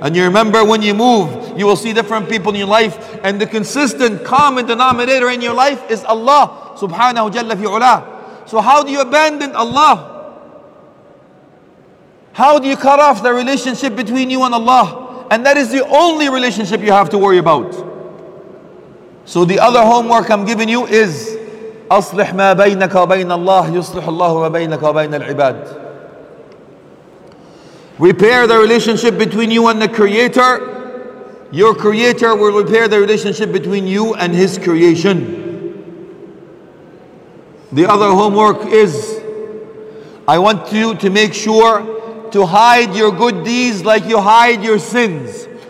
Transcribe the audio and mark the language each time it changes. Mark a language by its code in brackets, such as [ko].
[en] And you remember when you move, you will see different people in your life, and the consistent common denominator in your life is Allah subhanahu jalla fi ula. So how do you abandon Allah? How do you cut off the relationship between you and Allah? And that is the only relationship you have to worry about. So the other homework I'm giving you is [ar] أصلح ما بينك وبين الله يصلح الله ما بينك وبين العباد. [en] Repair the relationship between you and the Creator. Your Creator will repair the relationship between you and His creation. The other homework is, I want you to make sure to hide your good deeds like you hide your sins.